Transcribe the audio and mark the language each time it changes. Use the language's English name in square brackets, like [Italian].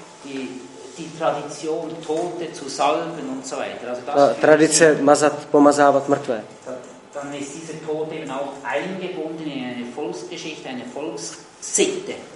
[German] Die Tradition Tote zu salben und so weiter. Also das [Czech] tradice pomazávat mrtvé. [German] Dann ist diese Tote eben auch eingebunden in eine Volksgeschichte, eine Volkssitte.